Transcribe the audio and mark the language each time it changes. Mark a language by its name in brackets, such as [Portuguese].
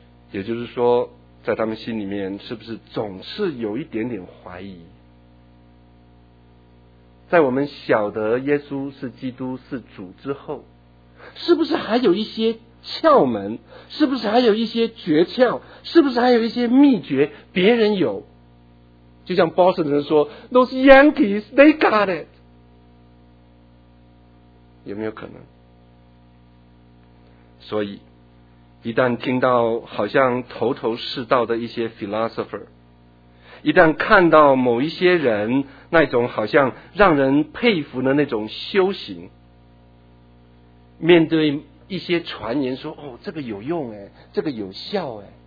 [Chinese] 也就是说，在他们心里面，是不是总是有一点点怀疑？在我们晓得耶稣是基督是主之后，是不是还有一些窍门？是不是还有一些诀窍？是不是还有一些秘诀别人有？就像 Boston 人说 [English] Those Yankees they got it。 [Chinese] 有没有可能？所以一旦听到好像头头是道的一些 philosopher，一旦看到某一些人那种好像让人佩服的那种修行，面对一些传言说，哦，这个有用，这个有效，